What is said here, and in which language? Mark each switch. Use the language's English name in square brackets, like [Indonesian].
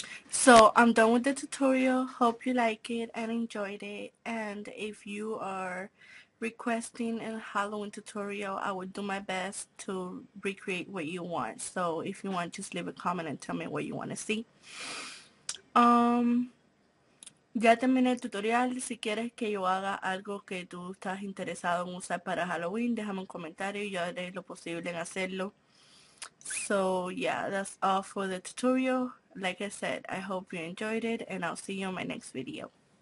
[English] So I'm done with the tutorial. Hope you like it and enjoyed it. And if you are requesting a Halloween tutorial, I would do my best to recreate what you want. So if you want, just leave a comment and tell me what you want to see. [Spanish] Ya terminé el tutorial. Si quieres que yo haga algo que tú estás interesado en usar para Halloween, déjame un comentario y yo haré lo posible en hacerlo. [English] So yeah, that's all for the tutorial. Like I said, I hope you enjoyed it and I'll see you in my next video.